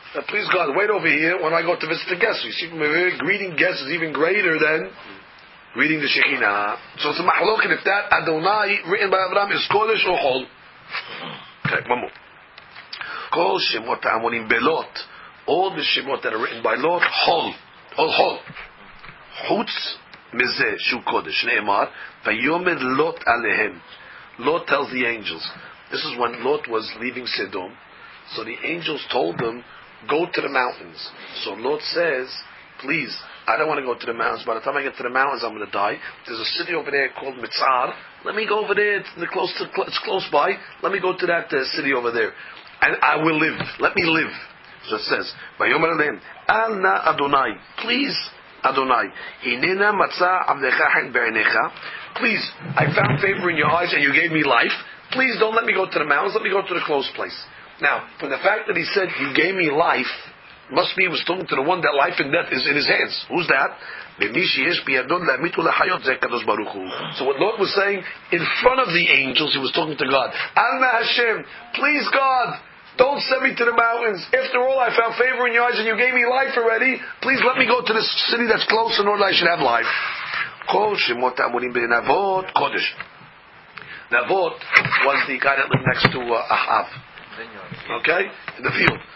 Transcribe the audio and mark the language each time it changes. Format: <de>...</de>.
<en>Please God, wait over here when I go to visit the guests. You see, greeting guests is even greater than greeting the Shekhinah. So it's a mahlok, and if that Adonai written by Abraham is Kodesh or Chol. Okay, one more.</en> <he>Kol Shemot Amonim Belot.</he> <en>All the Shemot that are written by Lot, Chol. Chol. Chutz</en> <he>מזה שהוא קודש, נאמר, ויומר לוט עליהם.</he> <en>Lot tells the angels. This is when Lot was leaving Sodom. So the angels told them, go to the mountains. So Lot says, please, I don't want to go to the mountains. By the time I get to the mountains, I'm going to die. There's a city over there called Mitzar. Let me go over there. It's close by. Let me go to that city over there. And I will live. Let me live. So it says,</en> <he>ויאמר אליהם, אל נא אדוני,</he> <en>please,</en> <he>אדוני, הננה מצא עבדך חן בעיניך,</he> <en>please, I found favor in your eyes and you gave me life, please don't let me go to the mountains, let me go to the close place. Now, from the fact that he said, you gave me life, must be he was talking to the one that life and death is in his hands. Who's that?</en> <he>ומי שיש בידון להמית ולחיות זה הקדוש ברוך הוא.</he> <en>So what Lord was saying, in front of the angels, he was talking to God,</en> <he>אל נא השם,</he> <en>please God, don't send me to the mountains. After all, I found favor in your eyes and you gave me life already. Please let me go to this city that's close in order that I should have life.</en> <he>Kol shemot ha'amurim b'Navot Kodesh.</he> <en>Navot was the guy that lived next to Ahav. Okay? In the field.</en>